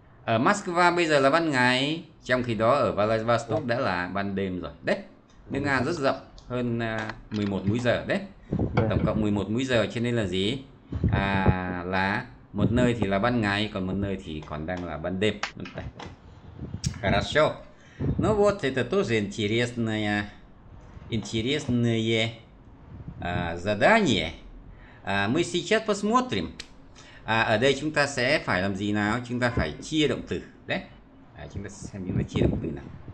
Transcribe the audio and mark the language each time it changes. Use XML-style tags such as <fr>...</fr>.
<vi>Ở Moscow bây giờ là ban ngày, trong khi đó ở Vladivostok đã là ban đêm rồi. Đấy, nước Nga rất rộng, hơn 11 múi giờ đấy. Tổng cộng 11 múi giờ, cho nên là gì? Là Một nơi thì là ban ngày, còn một nơi thì còn đang là ban đêm.</vi> <ru>Хорошо. Ну вот, это тоже интересное задание. Мы сейчас посмотрим.</ru> <vi>Ở đây chúng ta sẽ phải làm gì nào? Chúng ta phải chia động từ. Đấy. Chúng ta xem chúng ta chia động từ nào.</vi>